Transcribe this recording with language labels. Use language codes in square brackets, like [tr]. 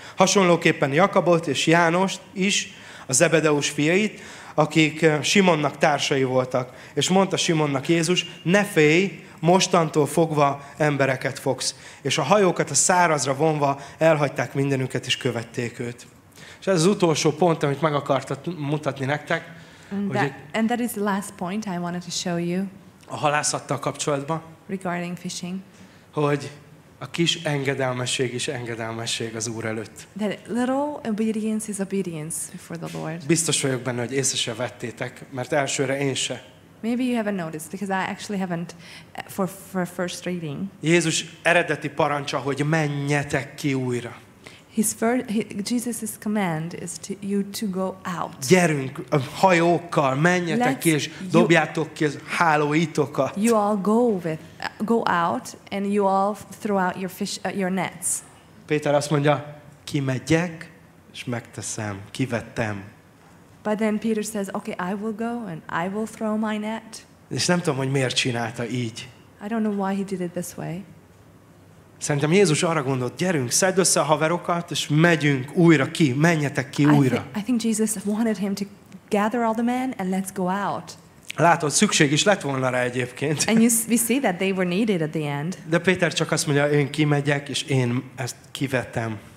[hu] Hasonlóképpen Jakabot és Jánost is, a Zebedeus fiait, akik Simonnak társai voltak. És mondta Simonnak Jézus, ne félj, mostantól fogva embereket fogsz. És a hajókat a szárazra vonva elhagyták mindenüket, és követték őt. És ez az utolsó pont, amit meg akartam mutatni nektek. [en] And that is the last point I wanted to show you. [hu] A halászattal kapcsolatban. [en] Regarding fishing. [hu] Hogy a kis engedelmesség is engedelmesség az Úr előtt. [en] That little obedience is obedience before the Lord. [hu] Biztos vagyok benne, hogy észre se vettétek, mert elsőre én se. [en] Maybe you haven't noticed because I actually haven't for first reading. [hu] Jézus eredeti parancsa, hogy menjetek ki újra. [en] Jesus' command is to you to go out. [hu] Gyerünk a hajókkal, menjetek és dobjátok ki a hálóitokat. [en] You all go out and you all throw out your fish, your nets. [hu] Péter azt mondja, kimegyek és megteszem, kivettem. [en] But then Peter says, okay, I will go and I will throw my net. [hu] És nem tudom, hogy miért csinálta így. [en] I don't know why he did it this way. [hu] Szerintem Jézus arra gondolt, gyerünk, szedd össze a haverokat, és megyünk újra ki, menjetek ki újra. [en] I think Jesus wanted him to gather all the men and let's go out. [hu] Látod, szükség is lett volna rá egyébként. [en] And we see that they were needed at the end. [hu] De Péter csak azt mondja, én kimegyek, és én ezt kivettem.